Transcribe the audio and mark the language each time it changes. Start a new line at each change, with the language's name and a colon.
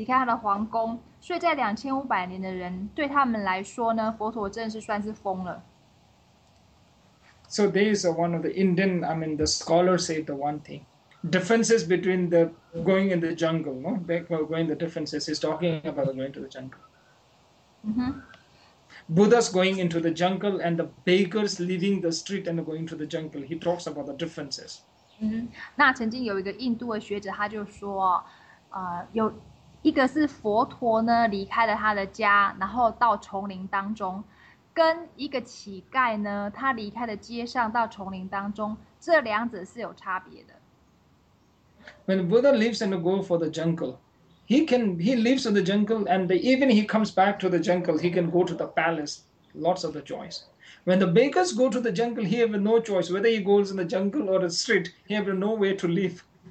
Chinese: 那就佛陀的时代来讲呢，当时的人呢认为佛陀真的是疯了，这样在修行佛法。因为他是一个王子，可是他放弃了他的王子的王位，然后离开了他的太太，离开了孩子，离开他的皇宫，睡在 2,500 年的人，对他们来说呢，佛陀真的是算是疯了。
English: So there is one of the Indian, I mean the scholar said the one thing. Differences between the going in the jungle, no? Well, going the differences, he's talking about going to the jungle. Buddha's going into the jungle and the beggars leaving the street and going to the jungle. He talks about the differences.
Chinese: 那曾经有一个印度的学者，他就说，有一个是佛陀呢离开了他的家，然后到丛林当中，跟一个乞丐呢，他离开了街上到丛林当中，这两者是有差别的。
English: When Buddha lives in the go for the jungle, he lives in the jungle, and even he comes back to the jungle, he can go to the palace, lots of the choice. When the bakers go to the jungle, he have no choice. Whether he goes in the jungle or the street, he have no way to live.